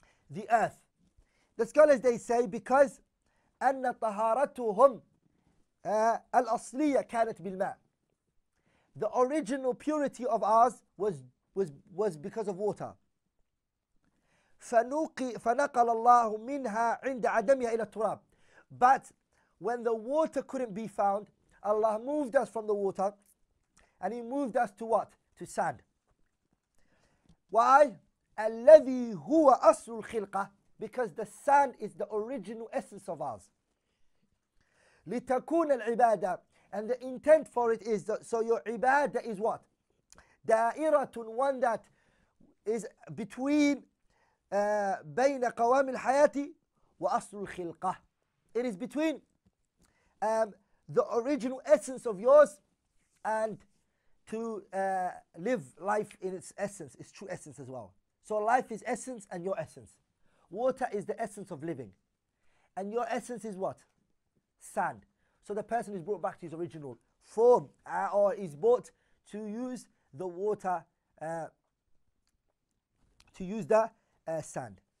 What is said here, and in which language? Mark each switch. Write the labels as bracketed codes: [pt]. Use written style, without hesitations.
[en] The earth. The scholars, they say, because أن طهارتهم الأصلية كانت بالماء. The original purity of ours was because of water. [ar] فنقل الله منها عند عدمها إلى التراب. [en] But when the water couldn't be found, Allah moved us from the water, and He moved us to what? To sand. Why? الَّذِي هُوَ أَصْلُ الْخِلْقَةِ, because the sand is the original essence of us. لِتَكُونَ الْعِبَادَةِ, and the intent for it is that, so your ibadah is what? [ar] دَائِرَةٌ, one that is between بَيْنَ قَوَامِ الْحَيَاةِ وَأَصْلُ الْخِلْقَةِ. [en] It is between the original essence of yours and to live life in its essence, its true essence as well. So life is essence and your essence. Water is the essence of living. And your essence is what? Sand. So the person is brought back to his original form or is brought to use the water, to use the sand.